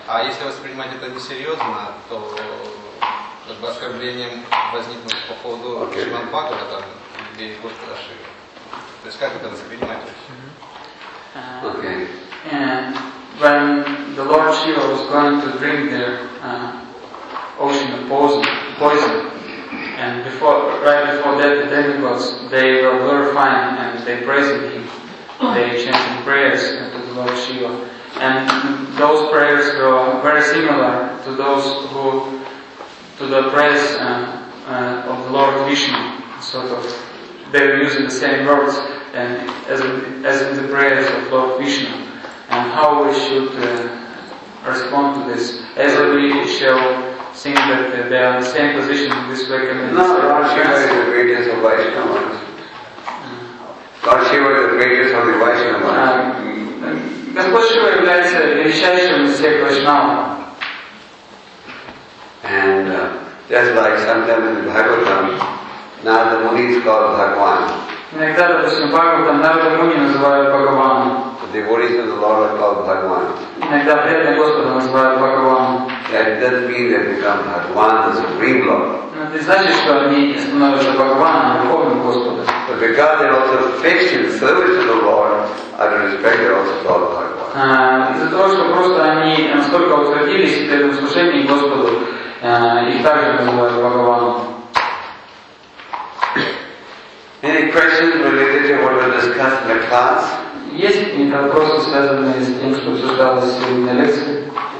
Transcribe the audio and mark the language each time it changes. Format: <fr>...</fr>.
<ru>А если воспринимать это несерьезно, то как бы оскорблением возникнут по поводу Шриман Бхагавата, там, где их Господь ошибся. То есть как это воспринимать вообще?</ru> <en>And when the Lord Shiva was going to drink the ocean of poison, and right before that the demigods, they were glorifying and they praised him. They chanted prayers to the Lord Shiva. And those prayers were very similar to the prayers of the Lord Vishnu, sort of. They were using the same words and as in the prayers of Lord Vishnu. And how we should respond to this? As we shall think that they are in the same position in this way. No, Lord Shiva is the greatest of Vaishnavas. Lord Shiva is the greatest of the Vaishnavas.</en> <ru>Господь Шива является величайшим из всех Вайшнав.</ru> <en>And just like sometimes in Bhagavatam, Narada Muni is called Bhagavan.</en> <ru>Иногда, допустим, Бхагаватам Нарада Муни называют Бхагаваном.</ru> <en>The devotees of the Lord are called Bhagwan.</en> <ru>Иногда преданные Господа называют Бхагаван.</ru> <en>That doesn't mean they become Bhagwan, the Supreme Lord.</en> <ru>Но это значит, что они становятся Бхагваном, духовным Господом.</ru> <en>But because they're also fixed in service to the Lord, out of respect, they're also called Bhagwan.</en> <ru>Из-за того, что просто они настолько утвердились в этом служении Господу, их также называют Бхагваном.</ru> <en>Any questions related to what we discussed in the class?</en> <ru>Есть какие-то вопросы, связанные с тем, что обсуждалось сегодня на лекции?</ru>